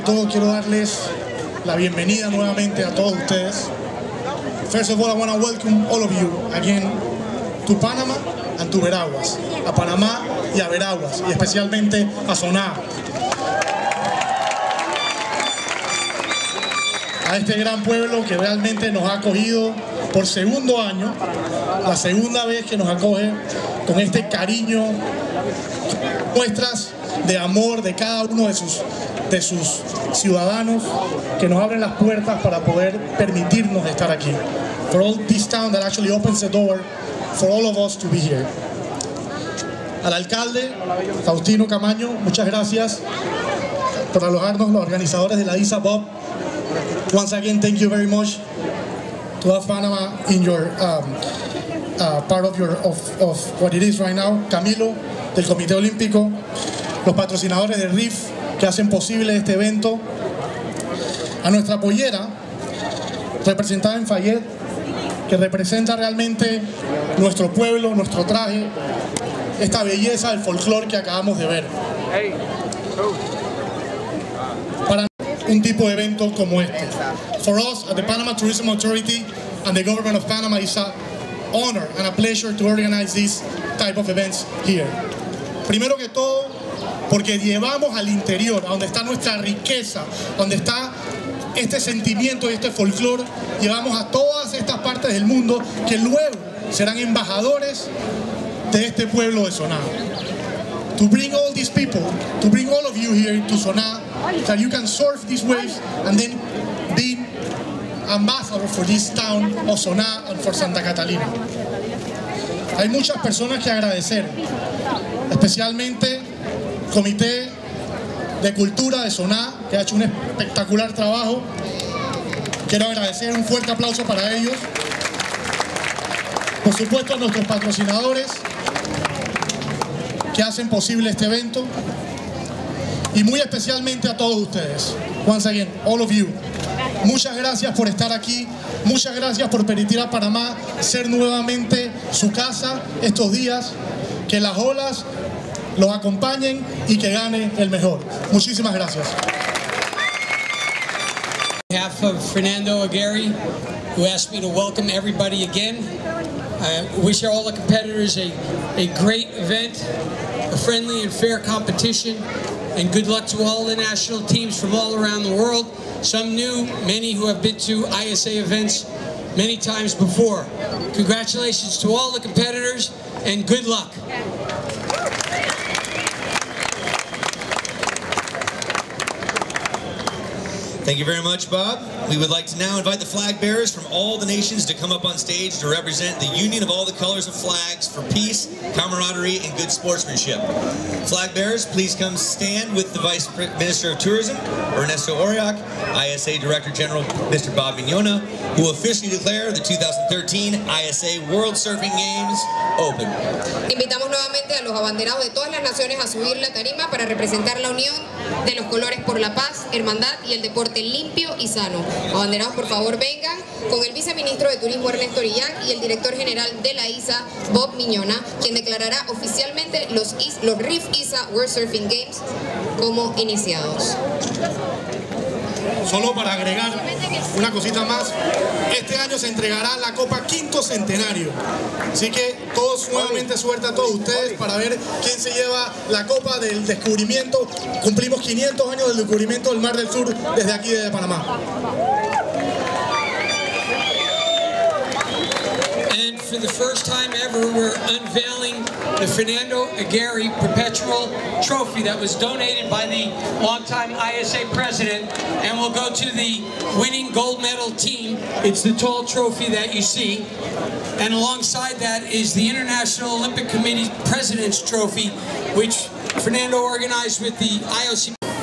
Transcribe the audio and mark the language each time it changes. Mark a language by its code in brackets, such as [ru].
[es] quiero darles la bienvenida nuevamente a todos ustedes. [en] First of all, I want to welcome all of you again to Panama and to Veraguas. [es] A Panamá y a Veraguas, y especialmente a Soná. A este gran pueblo que realmente nos ha acogido por segundo año, la segunda vez que nos acoge con este cariño, muestras de amor de cada uno de sus ciudadanos que nos abren las puertas para poder permitirnos estar aquí. [en] For all this town that actually opens the door for all of us to be here. [es] Al alcalde Faustino Camaño, muchas gracias por alojarnos, los organizadores de la ISA Bob. [en] Once again, thank you very much to have Panama in your part of your of what it is right now. [es] Camilo del Comité Olímpico, los patrocinadores de RIF que hacen posible este evento, a nuestra pollera representada en Fayette, que representa realmente nuestro pueblo, nuestro traje, esta belleza del folclore que acabamos de ver. Para un tipo de evento como este. [en] For us at the Panama Tourism Authority and the government of Panama, it's an honor and a pleasure to organize this type of events here. [es] Primero que todo, porque llevamos al interior, a donde está nuestra riqueza, donde está este sentimiento y este folclore, llevamos a todas estas partes del mundo que luego serán embajadores de este pueblo de Soná. [en] To bring all these people, to bring all of you here to Soná, that you can surf these waves and then be ambassador for this town of Soná and for Santa Catalina. [es] Hay muchas personas que agradecer, especialmente Comité de Cultura de Soná, que ha hecho un espectacular trabajo. Quiero agradecer, un fuerte aplauso para ellos. Por supuesto, a nuestros patrocinadores que hacen posible este evento. Y muy especialmente a todos ustedes. [en] Once again, all of you. [es] Muchas gracias por estar aquí. Muchas gracias por permitir a Panamá ser nuevamente su casa estos días. Que las olas los acompañen y que gane el mejor. Muchísimas gracias. [en] On behalf of Fernando Aguirre, who asked me to welcome everybody again, I wish all the competitors a great event, a friendly and fair competition, and good luck to all the national teams from all around the world, some new, many who have been to ISA events many times before. Congratulations to all the competitors, and good luck. Thank you very much, Bob. We would like to now invite the flag bearers from all the nations to come up on stage to represent the union of all the colors of flags for peace, camaraderie, and good sportsmanship. Flag bearers, please come stand with the Vice Minister of Tourism, Ernesto Oriok, ISA Director General, Mr. Bob Mignona, who officially declare the 2013 ISA World Surfing Games open. [es] Invitamos nuevamente a los abanderados de todas las naciones a subir la tarima para representar la unión de los colores por la paz, hermandad y el deporte limpio y sano. Abanderados, por favor, vengan con el viceministro de Turismo, Ernesto Orillac, y el director general de la ISA, Bob Mignona, quien declarará oficialmente los RIF ISA World Surfing Games como iniciados. Solo para agregar una cosita más, este año se entregará la Copa Quinto Centenario. Así que todos nuevamente suerte a todos ustedes para ver quién se lleva la Copa del Descubrimiento. Cumplimos 500 años del descubrimiento del Mar del Sur desde aquí desde Panamá. [en] And for the first time ever, we're unveiling the Fernando Aguirre Perpetual Trophy that was donated by the longtime ISA president and will go to the winning gold medal team. It's the tall trophy that you see. And alongside that is the International Olympic Committee President's Trophy, which Fernando organized with the IOC.